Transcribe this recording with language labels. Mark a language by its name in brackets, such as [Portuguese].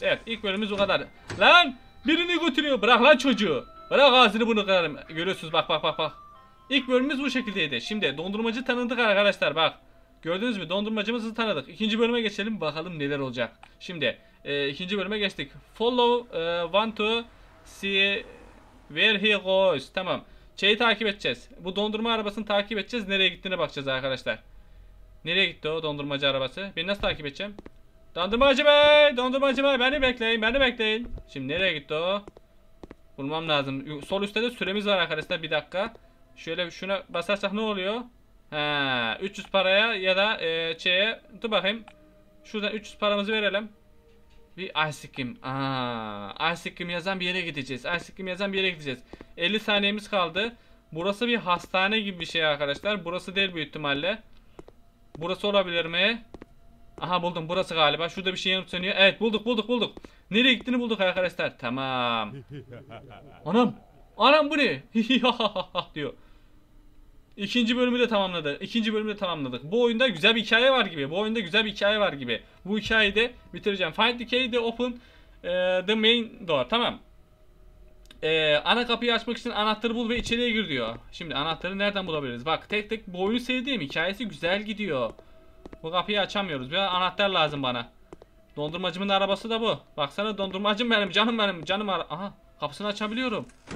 [Turkish] Evet, ilk bölümümüz bu kadar. Lan birini götürüyor. Bırak lan çocuğu. Bırak ağzını bunu kırarım. Görüyorsunuz bak. İlk bölümümüz bu şekildeydi. Şimdi dondurmacı tanıdık arkadaşlar, bak. Gördünüz mü? Dondurmacımızı tanıdık. İkinci bölüme geçelim, bakalım neler olacak. Şimdi ikinci bölüme geçtik. [English] Follow want to see where he goes. [Turkish] Tamam. Şeyi takip edeceğiz. Bu dondurma arabasını takip edeceğiz. Nereye gittiğine bakacağız arkadaşlar. Nereye gitti o dondurmacı arabası? Ben nasıl takip edeceğim? Dondurmacı bey! Dondurmacı bey! Beni bekleyin! Beni bekleyin! Şimdi nereye gitti o? Bulmam lazım. Sol üstte de süremiz var arkadaşlar. Bir dakika. Şöyle şuna basarsak ne oluyor? Ha, 300 paraya ya da şeye dur bakayım. Şuradan 300 paramızı verelim. Bir ice cream. Ice cream yazan bir yere gideceğiz. Ice cream yazan bir yere gideceğiz. 50 saniyemiz kaldı. Burası bir hastane gibi bir şey arkadaşlar. Burası değil büyük ihtimalle. Burası olabilir mi? Aha buldum, burası galiba. Şurada bir şey yanıp sönüyor. Evet, bulduk. Nereye gittiğini bulduk arkadaşlar. Tamam. Anam bu ne? diyor. İkinci bölümü de tamamladık. Bu oyunda güzel bir hikaye var gibi. Bu hikayeyi de bitireceğim. [English] Find the key to open the main door. [Turkish] Tamam. Ana kapıyı açmak için anahtarı bul ve içeriye gir diyor. Şimdi anahtarı nereden bulabiliriz? Bak, tek tek bu oyunu sevdiğim, hikayesi güzel gidiyor. Bu kapıyı açamıyoruz. Bir anahtar lazım bana. Dondurmacımın arabası da bu. Baksana dondurmacım benim, canım benim, canım. Aha, kapısını açabiliyorum.